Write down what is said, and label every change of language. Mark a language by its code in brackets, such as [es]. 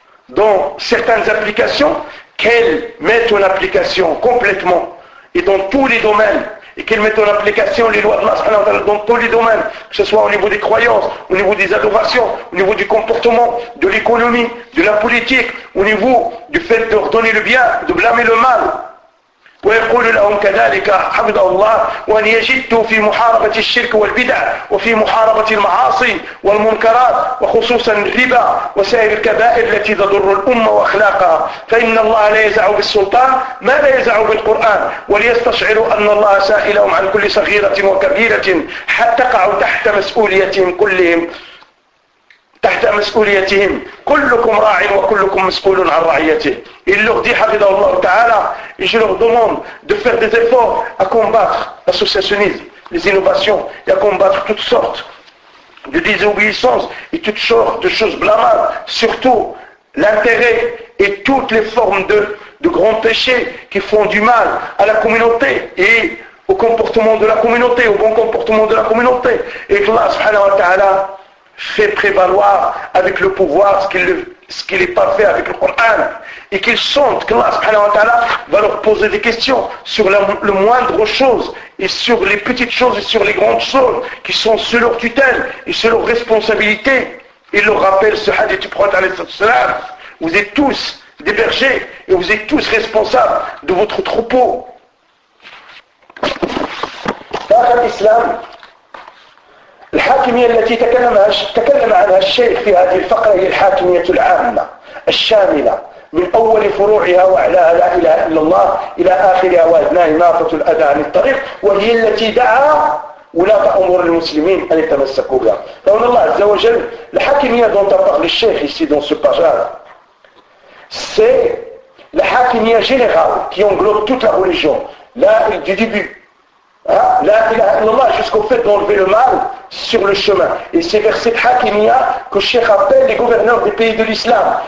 [fr] dans certaines applications, qu'elle mette en application complètement et dans tous les domaines, et qu'elle mette en application les lois de l'Allah dans tous les domaines, que ce soit au niveau des croyances, au niveau des adorations, au niveau du comportement, de l'économie, de la politique, au niveau du fait de redonner le bien, de blâmer le mal. [ar] ويقول لهم كذلك حفظ الله وان يجدوا في محاربة الشرك والبدع وفي محاربة المعاصي والمنكرات وخصوصا الربا وسائر الكبائر التي تضر الأمة وأخلاقها فإن الله لا يزع بالسلطان ما لا يزع بالقرآن وليستشعروا أن الله سائلهم عن كل صغيرة وكبيرة حتى تقعوا تحت مسؤوليتهم كلهم تحت مسؤوليتهم كلكم راع وكلكم مسؤول عن رعيته. [fr] Il leur dit, [ar] حفظه الله تعالى, [fr] et je leur demande de faire des efforts à combattre l'associationnisme, les innovations, et à combattre toutes sortes de désobéissances et toutes sortes de choses blâmables, surtout l'intérêt et toutes les formes de grands péchés qui font du mal à la communauté et au comportement de la communauté, au bon comportement de la communauté. Et que Allah subhanahu wa ta'ala fait prévaloir avec le pouvoir ce qu'il est parfait avec le Coran, et qu'ils sentent qu'Allah subhanahu wa ta'ala va leur poser des questions sur le moindre chose et sur les petites choses et sur les grandes choses qui sont sous leur tutelle et sous leur responsabilité. Il leur rappelle ce hadith du prophète alayhi sallam, vous êtes tous des bergers et vous êtes tous responsables de votre troupeau. Dans l'islam, [ar] الحاكمية التي تكلم عنها الشيخ في هذه الفقرة هي الحاكمية العامة الشاملة من أول فروعها وأعلاها لا إله إلا الله إلى آخرها وأدناها نافة الأذى عن الطريق, وهي التي دعا ولاة أمور المسلمين أن يتمسكوا بها. فإن الله عز وجل [fr] الحاكمية dont a parlé الشيخ ici dans ce passage, c'est la حاكمية générale qui englobe toute la religion, là du début. La ilaha illallah, jusqu'au fait d'enlever le mal sur le chemin. Et c'est vers cette hakimiyya que Cheikh appelle les gouverneurs des pays de l'islam.